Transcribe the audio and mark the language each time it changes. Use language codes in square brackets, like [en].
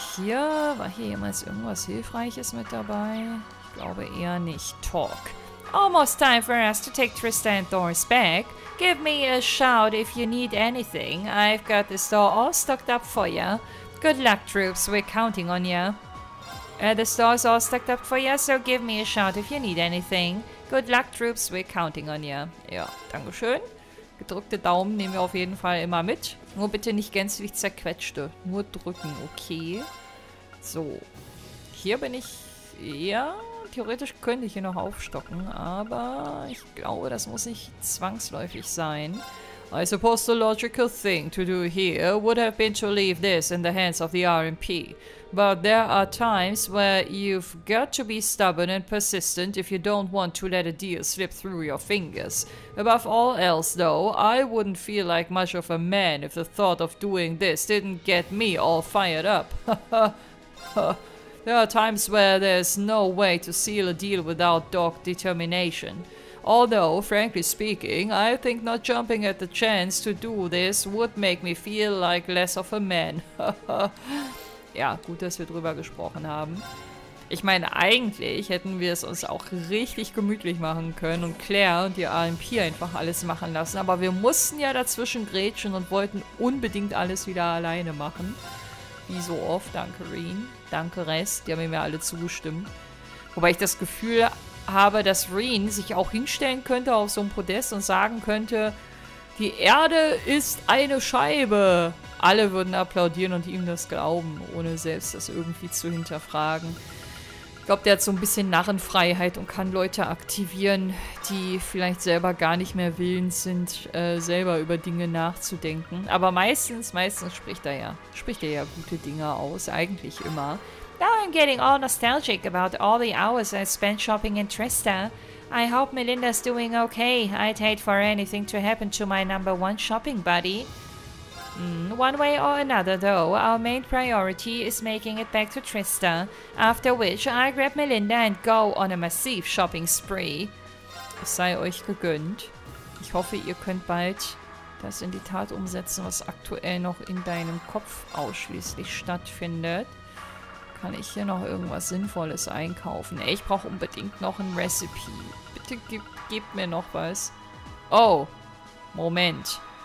[de] Hier, war hier jemals irgendwas Hilfreiches mit dabei? Ich glaube eher nicht. Talk. [en] Almost time for us to take Trista and Doris back. Give me a shout if you need anything. I've got the store all stocked up for you. Good luck, troops. We're counting on you. The store's all stocked up for you, so give me a shout if you need anything. Good luck, troops. We're counting on you. [de] Ja, dankeschön. Gedrückte Daumen nehmen wir auf jeden Fall immer mit. Nur bitte nicht gänzlich zerquetschte. Nur drücken, okay? So. Hier bin ich... Ja, theoretisch könnte ich hier noch aufstocken. Aber ich glaube, das muss nicht zwangsläufig sein. [en] I suppose the logical thing to do here would have been to leave this in the hands of the RMP. But there are times where you've got to be stubborn and persistent if you don't want to let a deal slip through your fingers. Above all else, though, I wouldn't feel like much of a man if the thought of doing this didn't get me all fired up. There are times where there's no way to seal a deal without dogged determination. Although, frankly speaking, I think not jumping at the chance to do this would make me feel like less of a man. [de] Ja, gut, dass wir drüber gesprochen haben. Ich meine, eigentlich hätten wir es uns auch richtig gemütlich machen können und Claire und die RMP einfach alles machen lassen. Aber wir mussten ja dazwischen grätschen und wollten unbedingt alles wieder alleine machen. Wie so oft. Danke, Reen. Danke, Rest. Die haben mir alle zugestimmt. Wobei ich das Gefühl habe, dass Reen sich auch hinstellen könnte auf so ein Podest und sagen könnte, die Erde ist eine Scheibe. Alle würden applaudieren und ihm das glauben, ohne selbst das irgendwie zu hinterfragen. Ich glaube, der hat so ein bisschen Narrenfreiheit und kann Leute aktivieren, die vielleicht selber gar nicht mehr willens sind, selber über Dinge nachzudenken. Aber meistens spricht er ja gute Dinge aus, eigentlich immer. [en] Now I'm getting all nostalgic about all the hours I spent shopping in Trista. I hope Melinda's doing okay. I'd hate for anything to happen to my number one shopping buddy. One way or another, though, our main priority is making it back to Trista, after which I'll grab Melinda and go on a massive shopping spree. [de] Es sei euch gegönnt. Ich hoffe, ihr könnt bald das in die Tat umsetzen, was aktuell noch in deinem Kopf ausschließlich stattfindet. Kann ich hier noch irgendwas Sinnvolles einkaufen? Ey, ich brauche unbedingt noch ein Recipe. Bitte gebt mir noch was. Oh, Moment.